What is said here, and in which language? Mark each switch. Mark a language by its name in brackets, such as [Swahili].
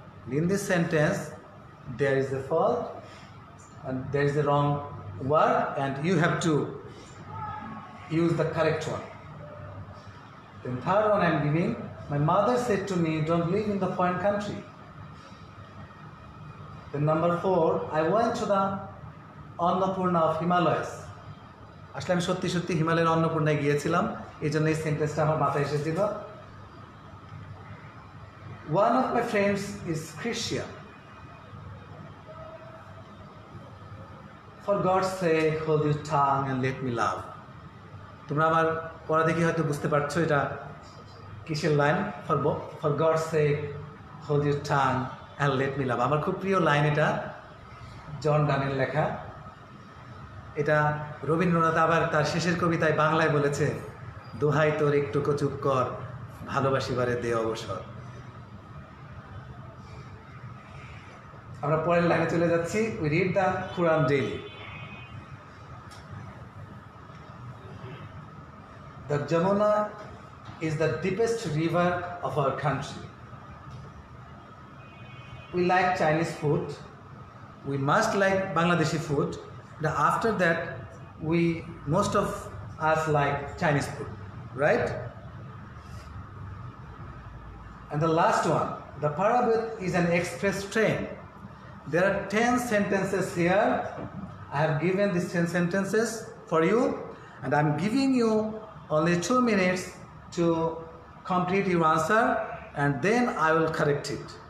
[English] In this sentence, there is a fault and there is a wrong word, and you have to use the correct one. Then third one I'm giving. My mother said to me, don't live in the foreign country. Then number four, I went to the Annapurna of Himalayas. [Bangla] আসলে আমি সত্যি সত্যি হিমালয়ের অন্নপূর্ণায় গিয়েছিলাম, এই জন্য এই সেন্টেন্সটা আমার মাথায় এসেছিল। [English] One of my friends is Christian, for God's sake hold your tongue and let me love. [Bangla] তোমরা আমার পড়া দেখে হয়তো বুঝতে পারছো এটা কিসের line. [English] for God's sake hold your tongue and let me love, [Bangla] আমার খুব প্রিয় লাইন এটা, জন ডানের লেখা। এটা রবীন্দ্রনাথ আবার তার শেষের কবিতায় বাংলায় বলেছে, দোহাই তোর একটুকু চুপ কর, ভালোবাসিবারে দে অবসর। আমরা পরের লাইনে চলে যাচ্ছি, [English] We read the Quran daily. The Jamuna is the deepest river of our country. We like Chinese food, we must like Bangladeshi food. The after that, we, most of us like Chinese food, right? And the last one, the Parabat is an express train. There are 10 sentences here. I have given these 10 sentences for you, and I'm giving you only 2 minutes to complete your answer, and then I will correct it.